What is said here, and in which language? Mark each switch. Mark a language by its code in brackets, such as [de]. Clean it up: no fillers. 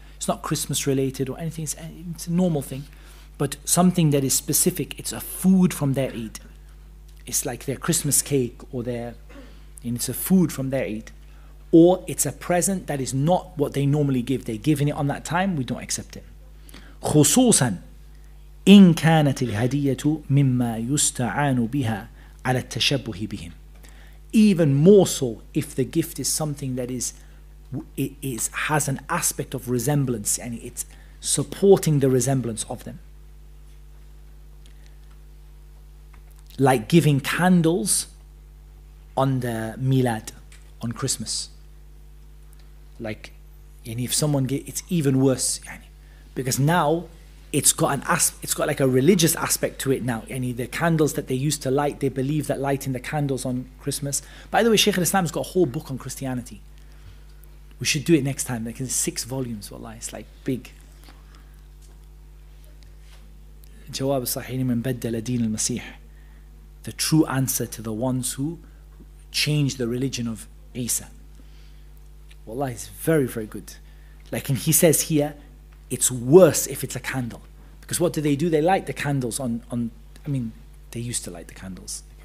[en] It's not Christmas related or anything, it's a normal thing. But something that is specific, it's a food from their Eid. It's like their Christmas cake, or their, and it's a food from their Eid. Or it's a present that is not what they normally give. They're giving it on that time, we don't accept it. [ar] خصوصاً إن كانت الهدية مما يستعان بها على التشبه بهم. [en] Even more so if the gift is something that is, it is, has an aspect of resemblance, and it's supporting the resemblance of them. Like giving candles on the Milad, on Christmas. Like, and if someone gets, it's even worse. Because now, it's got like a religious aspect to it now. And the candles that they used to light, they believe that lighting the candles on Christmas. By the way, Shaykh al-Islam's got a whole book on Christianity. We should do it next time, because it's 6 volumes, wallah. It's like big. [ar] جواب الصحيحين من بدل دين المسيح. [en] The true answer to the ones who changed the religion of Isa. Wallahi, it's very, very good. Like, and he says here, it's worse if it's a candle. Because what do? They light the candles on. I mean, they used to light the candles.